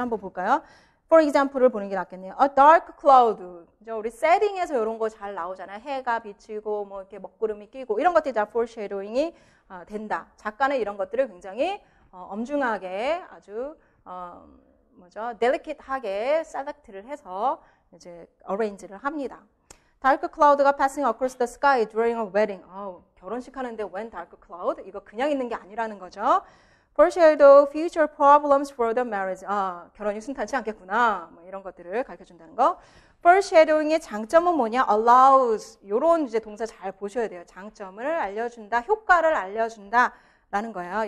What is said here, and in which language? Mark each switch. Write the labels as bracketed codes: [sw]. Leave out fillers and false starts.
[ko] 한번 볼까요? For example를 보는 게 낫겠네요. [en] A dark cloud. [ko] 이제 우리 setting에서 이런 거잘 나오잖아요. 해가 비치고, 뭐 이렇게 먹구름이 끼고, 이런 것들이 다 foreshadowing이 된다. 작가는 이런 것들을 굉장히 엄중하게, 아주, 뭐죠? delicate하게 select를 해서 이제 arrange를 합니다. [en] Dark cloud가 passing across the sky during a wedding. [ko] 결혼식 하는데 when dark cloud? 이거 그냥 있는 게 아니라는 거죠. [en] Foreshadow future problems for the marriage. [ko] 아, 결혼이 순탄치 않겠구나. 뭐 이런 것들을 가르쳐 준다는 거. Foreshadowing의 장점은 뭐냐? Allows. 이런 이제 동사 잘 보셔야 돼요. 장점을 알려준다. 효과를 알려준다라는 거예요.